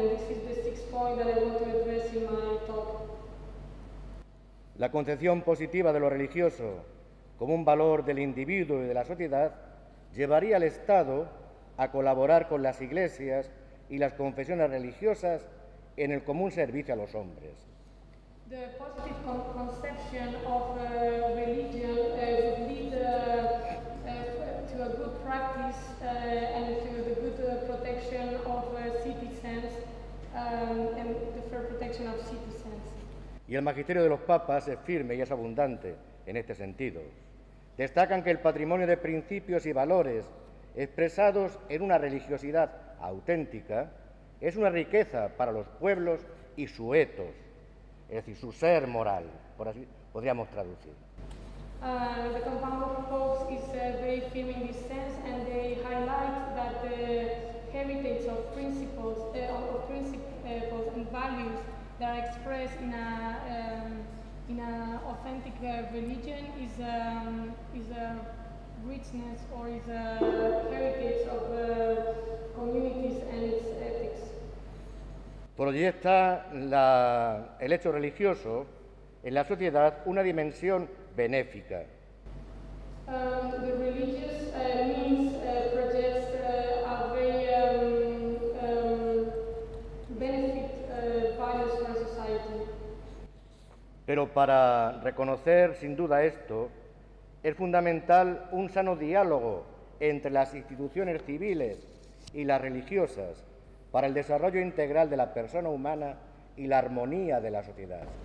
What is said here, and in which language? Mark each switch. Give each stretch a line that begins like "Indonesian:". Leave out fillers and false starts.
English: And this is the sixth point that I want to address in my talk.
Spanish: La concepción positiva de lo religioso como un valor del individuo y de la sociedad llevaría al Estado a colaborar con las iglesias y las confesiones religiosas en el común servicio a los hombres.
English: The positive conception of religion would lead to a good practice and to the good protection of citizens and the fair protection of citizens.
Spanish: Y el magisterio de los papas es firme y es abundante en este sentido. Destacan que el patrimonio de principios y valores expresados en una religiosidad auténtica es una riqueza para los pueblos y su ethos, es decir, su ser moral, por así podríamos traducir.
English: The compound of popes is very firm in this sense, and they highlight that the heritage of principles, and values that are expressed in an authentic religion is a richness or is a heritage of communities and its ethics.
Spanish: Proyecta el hecho religioso en la sociedad una dimensión benéfica.
English: The religious means projects a very benefit values for society.
Spanish: Pero para reconocer sin duda esto, es fundamental un sano diálogo entre las instituciones civiles y las religiosas para el desarrollo integral de la persona humana y la armonía de la sociedad.